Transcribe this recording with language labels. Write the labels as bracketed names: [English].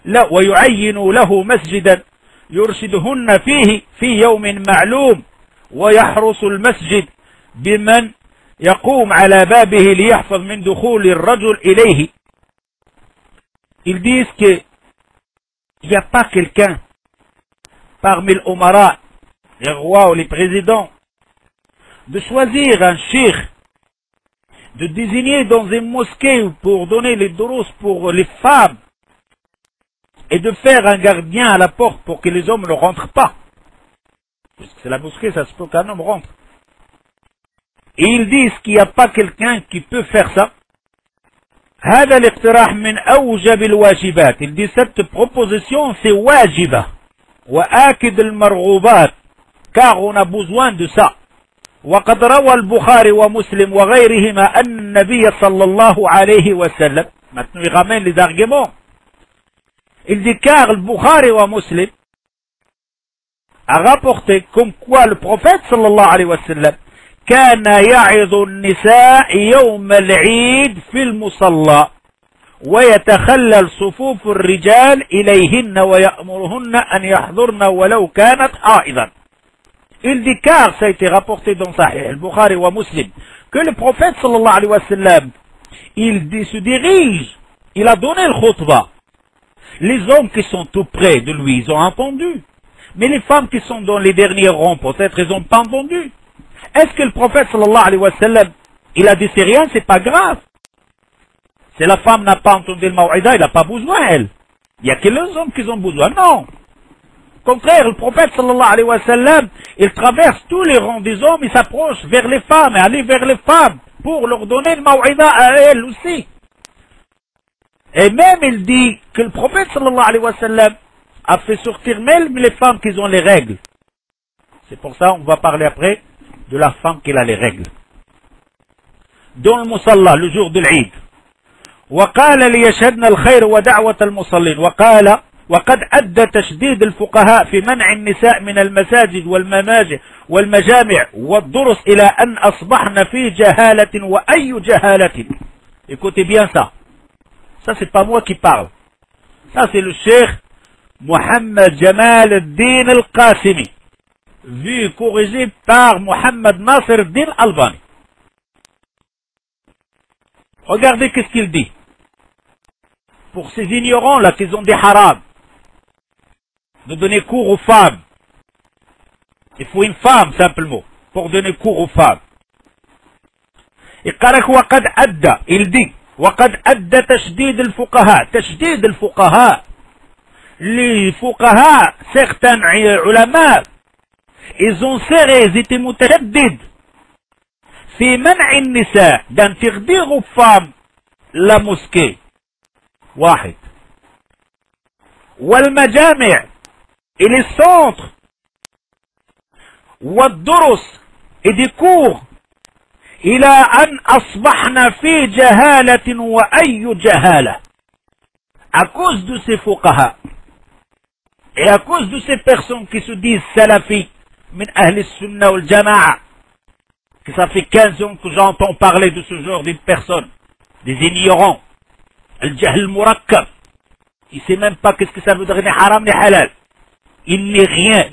[Arabic] ويعينوا له مسجدا يرشدهن فيه في يوم معلوم ويحرس المسجد بمن يقوم على بابه ليحفظ من دخول الرجل إليه. [French] Ils disent que il n'y a pas quelqu'un parmi les umara, les rois ou les présidents, de choisir un cheikh, de désigner dans une mosquée pour donner les doros pour les femmes et de faire un gardien à la porte pour que les hommes ne rentrent pas. Parce que c'est la mosquée, ça se peut qu'un homme rentre. Et ils disent qu'il n'y a pas quelqu'un qui peut faire ça. [Arabic] هذا الاقتراح من أوجب الواجبات. [French] Ils disent cette proposition c'est wajiba. [Arabic] وآكد المرغوبات. [French] Car on a besoin de ça. [Arabic] وقد روى البخاري ومسلم وغيرهما أن النبي صلى الله عليه وسلم. [French] Maintenant il ramène les arguments. Ils disent car le Bukhari et Muslim a rapporté comme quoi le prophète [Arabic] صلى الله عليه وسلم كان يعظ النساء يوم العيد في المصلى ويتخلل صفوف الرجال إليهن ويأمرهن أن يحضرن ولو كانت حائضا. [French] Il dit car ça a été rapporté dans Sahih al-Bukhari wa Muslim que le prophète sallallahu alayhi wa sallam il dit, se dirige, il a donné le khutbah. Les hommes qui sont tout près de lui, ils ont entendu. Mais les femmes qui sont dans les derniers rangs, peut-être, ils n'ont pas entendu. Est-ce que le prophète sallallahu alayhi wa sallam, il a dit c'est rien, c'est pas grave. Si la femme n'a pas entendu le maw'ida, il n'a pas besoin, elle. Il n'y a que les hommes qui ont besoin. Non. contraire, le prophète sallallahu alayhi wa sallam, il traverse tous les rangs des hommes, il s'approche vers les femmes, et aller vers les femmes, pour leur donner le maw'ida à elles aussi. Et même il dit que le prophète sallallahu alayhi wa sallam a fait sortir même les femmes qui ont les règles. C'est pour ça qu'on va parler après de la femme qui a les règles. Dans le musalla, le jour de l'Eid. [Arabic] وقال ليشهدنا الخير ودعوة المصلين وقال وقد أدى تشديد الفقهاء في منع النساء من المساجد والمجامع والدرس إلى أن أصبحنا في جهالة وأي جهالة. [French] Écoutez bien ça. Ça c'est pas moi qui parle. Ça c'est le Cheikh Mohamed Jamal al-Din al-Qasimi. Vu corrigé par Mohamed Nasser al-Din al-Albani. Regardez qu'est-ce qu'il dit. Pour ces ignorants-là qui ont des harams, de donner cours aux femmes. Il faut une femme, simplement, pour donner cours aux femmes. Et Karak [Arabic] Waqad Adda, il dit, Waqad Adda Tashdid al-Fuqaha. [French] Tashdid al-Fuqaha. Les Fuqaha, certains ulama, ils ont serré, ils étaient mutashaddid. [Arabic] Fi man'i an-nisa, [French] d'interdire aux femmes la mosquée. [Arabic] واحد والمجامع [French] et les centres [Arabic] والدروس [French] et des cours [Arabic] إلى أن أصبحنا في جهالة وأي جهالة. [French] À cause de ces فقهاء et à cause de ces personnes qui se disent salafi [Arabic] من أهل السنة والجماعة, [French] que ça fait 15 ans que j'entends parler de ce genre de personnes, des ignorants. Al-Jahl Murakkab. Il sait même pas qu'est-ce que ça veut dire, ni haram ni halal. Il n'est rien.